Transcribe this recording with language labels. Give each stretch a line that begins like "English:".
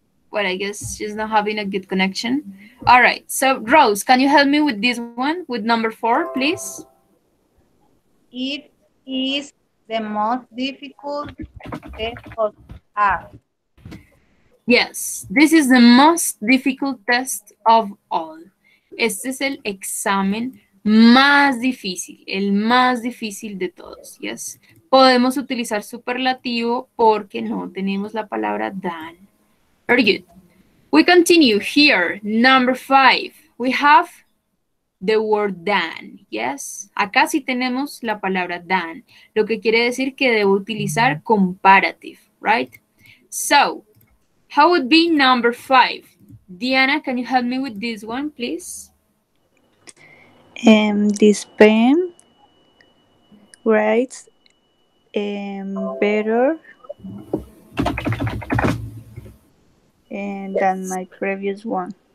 English: but I guess she's not having a good connection. All right, so Rose, can you help me with this one, with number four, please? It is the most difficult test of all. Yes, this is the most difficult test of all.
Spanish: Este es el examen más difícil, el más difícil de todos, yes. Podemos utilizar superlativo porque no tenemos la palabra done.
English: Very good. We continue here. Number five. We have the word done. Yes.
Spanish: Acá sí tenemos la palabra done. Lo que quiere decir que debo utilizar comparative.
English: Right? So, how would be number five? Diana, can you help me with this one, please? This pen writes better than my previous one.